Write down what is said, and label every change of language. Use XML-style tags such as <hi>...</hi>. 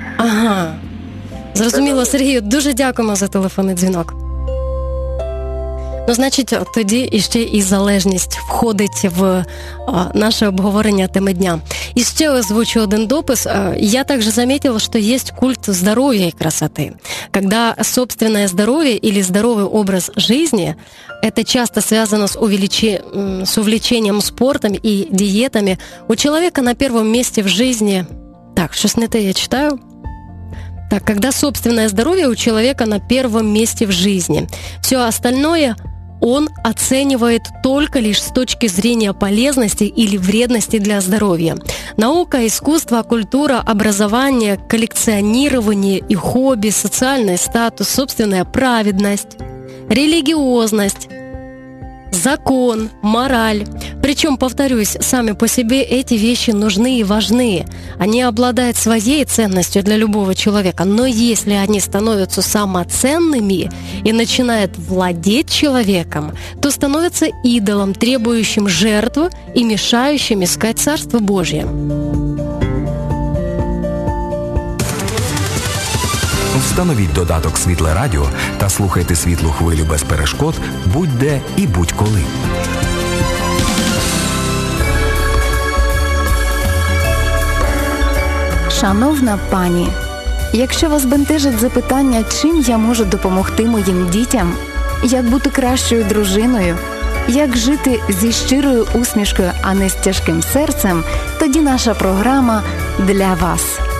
<uk>Ага. Зрозуміло, Сергію. Дуже дякуємо за телефонний дзвінок. Ну, значить, тоді іще і залежність входить в наше обговорення теми дня. І ще озвучу один допис. Я також замітила, що є культ здоров'я і красоти.</uk> <ru>Когда собственное здоров'я или здоровий образ жизни, это часто связано с увлечением спортом и диетами, у человека на первом месте в жизни...</ru> <uk>Так, щось не те я читаю.</uk> <ru>Так, когда собственное здоровье у человека на первом месте в жизни. Все остальное... Он оценивает только лишь с точки зрения полезности или вредности для здоровья. Наука, искусство, культура, образование, коллекционирование и хобби, социальный статус, собственная праведность, религиозность, закон, мораль. Причем, повторюсь, сами по себе эти вещи нужны и важны. Они обладают своей ценностью для любого человека, но если они становятся самоценными и начинают владеть человеком, то становятся идолом, требующим жертву и мешающим искать Царство Божье.</ru> <uk>Встановіть додаток «Світле радіо» та слухайте «Світлу хвилю» без перешкод будь-де і будь-коли. Шановна пані, якщо вас бентежить запитання, чим я можу допомогти моїм дітям, як бути кращою дружиною, як жити зі щирою усмішкою, а не з тяжким серцем, тоді наша програма для вас.</uk>